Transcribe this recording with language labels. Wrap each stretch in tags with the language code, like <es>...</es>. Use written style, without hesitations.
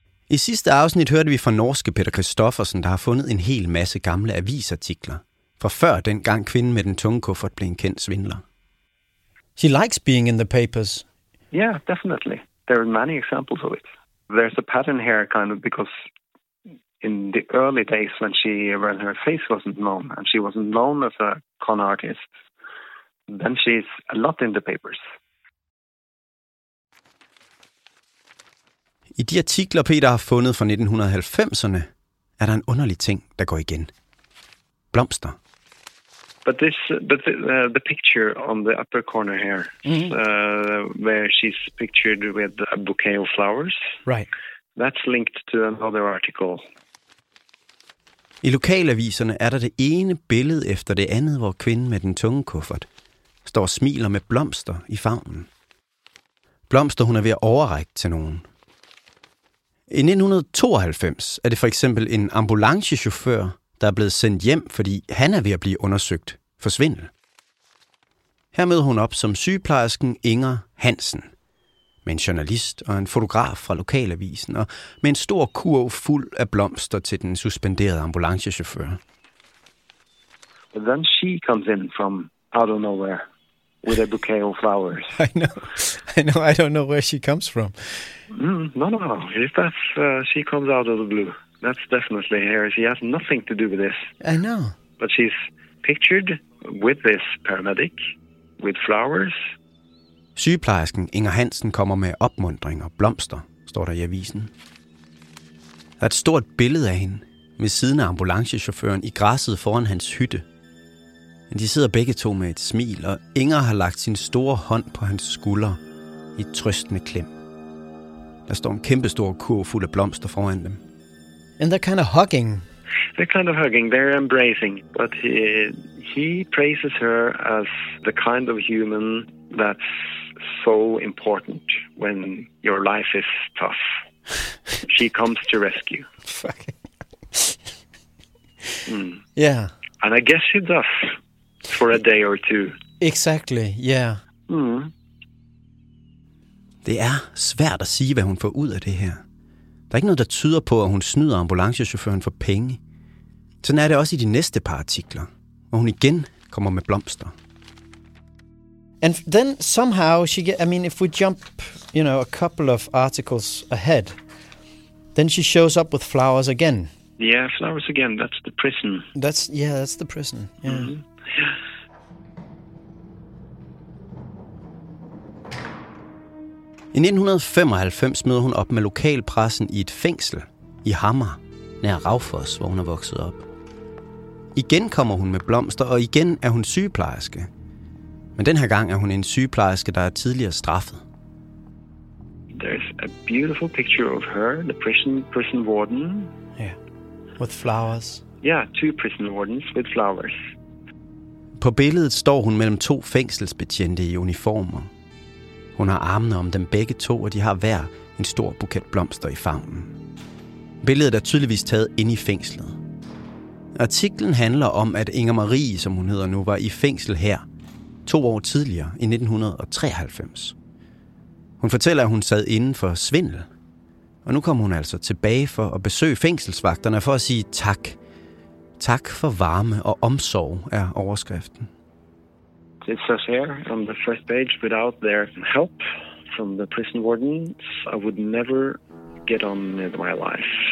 <da>I sidste afsnit hørte vi fra norske Peter Christoffersen, der har fundet en hel masse gamle avisartikler fra før den gang kvinden med den tunge kuffert blev en kendt svindler.</da> <en>She likes being in the papers. Yeah, definitely. There are many examples of it. There's a pattern here, kind of, because in the early days when her face wasn't known and she wasn't known as a con artist, then she's a lot in the papers.</en> <da>I de artikler, Peter har fundet fra 1990'erne, er der en underlig ting, der går igen. Blomster.</da> <en>But this, the picture on the upper corner here, where she's pictured with a bouquet of flowers, right? That's linked to another article.</en> <da>I lokalaviserne er der det ene billede efter det andet, hvor kvinden med den tunge kuffert står og smiler med blomster i favnen. Blomster, hun er ved at overrække til nogen. I 1992 er det for eksempel en ambulancechauffør, der er blevet sendt hjem, fordi han er ved at blive undersøgt for svindel. Her møder hun op som sygeplejersken Inger Hansen, med en journalist og en fotograf fra lokalavisen, og med en stor kurv fuld af blomster til den suspenderede ambulancechauffør.</da> <en>But then she comes in from out of nowhere with a bouquet of flowers. I know. I don't know where she comes from. No. If that's she comes out of the blue, that's definitely her. She has nothing to do with this. I know. But she's pictured with this paramedic with flowers.</en> <da>Sygeplejersken Inger Hansen kommer med opmuntring og blomster, står der i avisen. Der er et stort billede af hende med siden af ambulancechaufføren i græsset foran hans hytte. Men de sidder begge to med et smil, og Inger har lagt sin store hånd på hans skulder i et trøstende klem. Der står en kæmpe stor kurv fuld af blomster foran dem.</da> <en>And they're kind of hugging. They're kind of hugging, they're embracing. But he praises her as the kind of human that's so important when your life is tough. She comes to rescue. Yeah. And I guess she does for a day or two. Exactly, yeah. Mm.</en> <da>Det er svært at sige, hvad hun får ud af det her. Der er ikke noget, der tyder på, at hun snyder ambulancechaufføren for penge. Sådan er det også i de næste par artikler, hvor hun igen kommer med blomster.</da> <en>And then somehow she get, I mean, if we jump, you know, a couple of articles ahead, then she shows up with flowers again. Yeah, flowers again. That's the prison. That's, yeah, that's the prison. Yeah. Mm-hmm.</en> <da>I 1995 møder hun op med lokalpressen i et fængsel i Hammer, nær Raufoss, hvor hun er vokset op. Igen kommer hun med blomster, og igen er hun sygeplejerske. Men den her gang er hun en sygeplejerske, der er tidligere straffet.</da> <en>There's a beautiful picture of her, the prison warden. Yeah, with flowers. Yeah, two prison wardens with flowers.</en> <da>På billedet står hun mellem to fængselsbetjente i uniformer. Hun har armene om dem begge to, og de har hver en stor buket blomster i favnen. Billedet er tydeligvis taget ind i fængslet. Artiklen handler om, at Inger Marie, som hun hedder nu, var i fængsel her 2 år tidligere, i 1993. Hun fortæller, at hun sad inden for svindel. Og nu kom hun altså tilbage for at besøge fængselsvagterne for at sige tak. Tak for varme og omsorg, er overskriften.</da> <en>It says here on the first page, without their help from the prison wardens, I would never get on with my life.</en>